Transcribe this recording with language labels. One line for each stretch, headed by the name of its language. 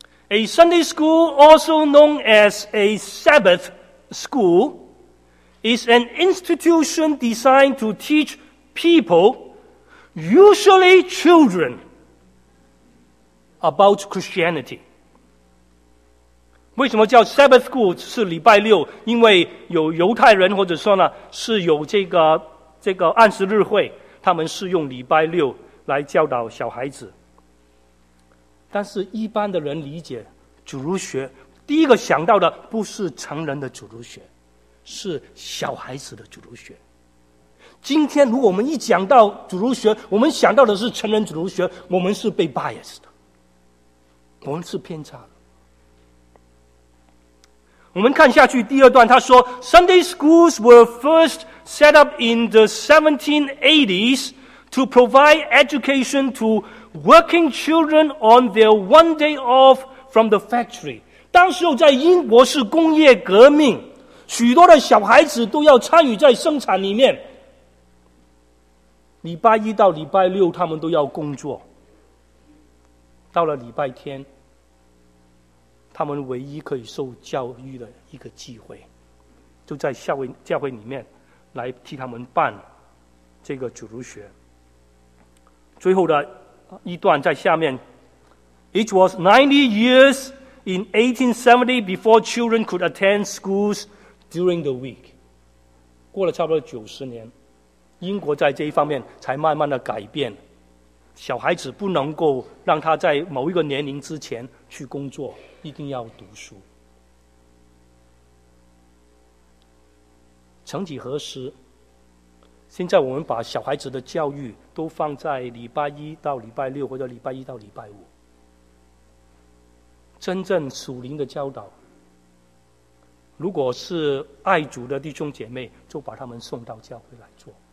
English: A Sunday school, also known as a Sabbath school, is an institution designed to teach people, usually children, about Christianity.
Chinese: 为什么叫 Sabbath school 是礼拜六？因为有犹太人或者说呢是有这个安息日会，他们是用礼拜六来教导小孩子。但是一般的人理解主儒学，第一个想到的不是成人的主儒学，是小孩子的主儒学。今天如果我们一讲到主儒学，我们想到的是成人主儒学，我们是被 bias 的，我们是偏差的。我们看下去第二段，他说
English: Sunday schools were first set up in the 1780s to provide education to working children on their one day off from the factory.
Chinese: 当时候在英国是工业革命，许多的小孩子都要参与在生产里面。礼拜一到礼拜六他们都要工作，到了礼拜天他们唯一可以受教育的一个机会，就在教会里面来替他们办这个主日学。最后的一段在下面，
English: It was 90 years in 1870 before children could attend schools during the week.
Chinese: 过了差不多90年，英国在这一方面才慢慢的改变，小孩子不能够让他在某一个年龄之前去工作，一定要读书。曾几何时，现在我们把小孩子的教育都放在礼拜一到礼拜六或者礼拜一到礼拜五，真正属灵的教导如果是爱主的弟兄姐妹，就把他们送到教会来做。